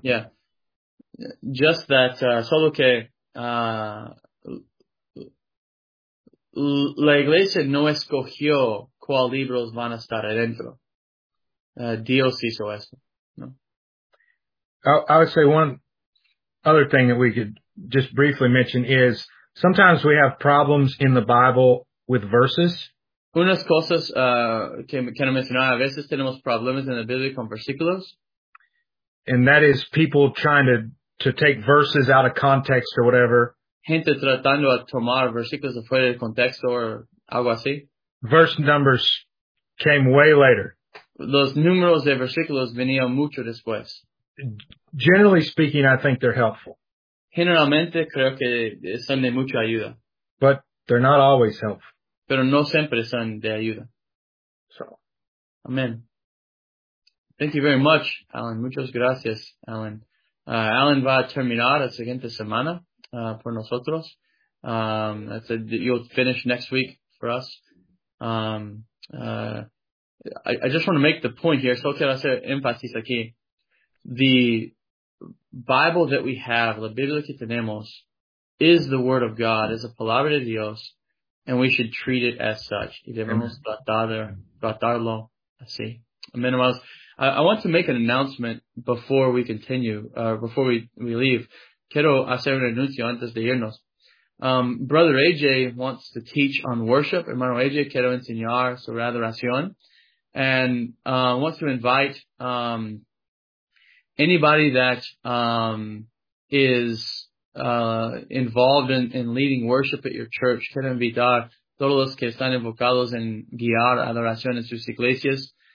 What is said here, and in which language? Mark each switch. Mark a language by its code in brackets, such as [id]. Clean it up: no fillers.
[en] Yeah. Just that, [es] solo que la iglesia no escogió cuál libros van a estar adentro. Dios hizo eso. No? [en] I would say one other thing that we could just briefly mention is sometimes we have problems in the Bible with verses. [es] Unas cosas que no mencionar, a veces tenemos problemas en la Biblia con versículos. [en] And that is people trying to take verses out of context or whatever. [es] Gente tratando de tomar versículos fuera del contexto o algo así. [en] Verse numbers came way later. [es] Los números de versículos venían mucho después. [en] Generally speaking, I think they're helpful. [es] Generalmente creo que son de mucha ayuda. [en] But they're not always helpful. [es] Pero no siempre son de ayuda. [en] So. Amen. Thank you very much, Alan. [es] Muchas gracias, Alan. Alan va a terminar la siguiente semana por nosotros. [en] You'll finish next week for us. I just want to make the point here. [es] Solo quiero hacer énfasis aquí. [en] The Bible that we have, [es] la Biblia que tenemos, [en] is the Word of God, is a [es] palabra de Dios, [en] and we should treat it as such. [es] Y debemos tratarlo así. Amen. [en] I want to make an announcement before we continue, before we leave. [es] Quiero hacer un anuncio antes de irnos. [en] Brother AJ wants to teach on worship. [es] Hermano AJ, quiero enseñar sobre adoración. [en] And wants to invite anybody that is involved in leading worship at your church. [es] Quiero invitar todos los que están involucrados en guiar adoración en sus iglesias.